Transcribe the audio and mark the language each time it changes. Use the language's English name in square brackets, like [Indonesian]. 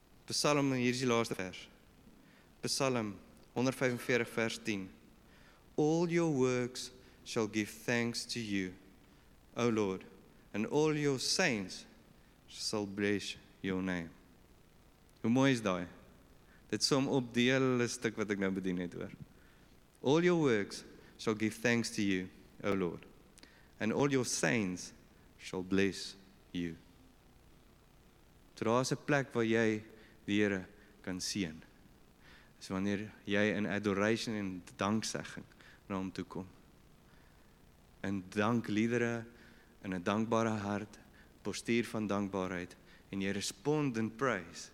[Afrikaans] Psalm, hier is die laaste vers. Psalm 145 vers 10. [English] All your works shall give thanks to you, O Lord, and all your saints shall bless your name. [Afrikaans] Hoe mooi is daai? Dit som op die hele stuk wat ek nou bedien het oor. [English] All your works shall give thanks to you, O Lord, and all your saints shall bless you. [Afrikaans] So daar is 'n plek waar jy die Here kan sien. Is wanneer jy in adoration en danksegging na hom toe kom. In dankliedere, in 'n dankbare hart, postuur van dankbaarheid, en jy respond in praise.